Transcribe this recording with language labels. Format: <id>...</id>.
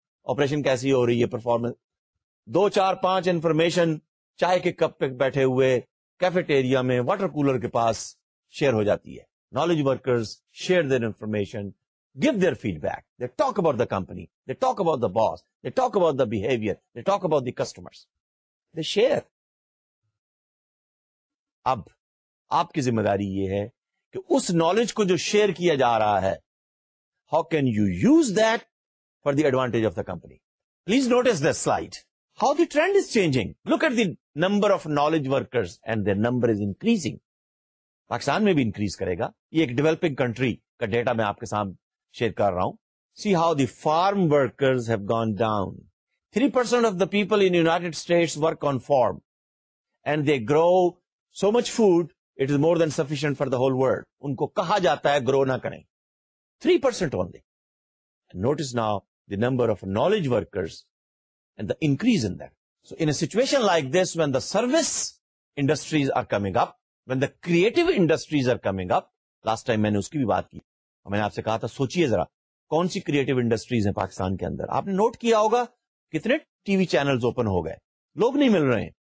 <ur>Operation کیسی ہو رہی ہے, پرفارمنس, دو چار پانچ انفارمیشن چائے کے کپ پہ بیٹھے ہوئے کیفیٹیریا میں واٹر کولر کے پاس شیئر ہو جاتی ہے.</ur> <en>Knowledge workers share their information, give their feedback, they talk about the company, they talk about the boss, they talk about the behaviour, they talk about the customers, they share.</en> <ur>اب آپ کی ذمہ داری یہ ہے کہ اس knowledge کو جو شیئر کیا جا رہا ہے,</ur> <en>How can you use that for the advantage of the company. Please notice this slide, how the trend is changing. Look at the number of knowledge workers and their number is increasing.</en> <ur>Pakistan میں بھی increase کرے گا, یہ ایک developing country کا data میں آپ کے سامنے شیئر کر رہا ہوں.</ur> <en>See how the farm workers have gone down. 3% of the people in United States work on farm and they grow so much food it is more than sufficient for the whole world.</en> <ur>ان کو کہا جاتا ہے گرو نہ کریں, 3% only.</ur> <en>Notice now the number of knowledge workers and the increase in that. So in a situation like this, when the service industries are coming up,</en> <ur>when the creative industries are coming up, last time میں نے اس کی بھی بات کی, میں نے آپ سے کہا تھا سوچئے ذرا کون سی کریٹو انڈسٹریز ہیں پاکستان کے اندر. آپ نے نوٹ کیا ہوگا کتنے ٹی وی چینلز اوپن ہو گئے, لوگ نہیں مل رہے ہیں.</ur>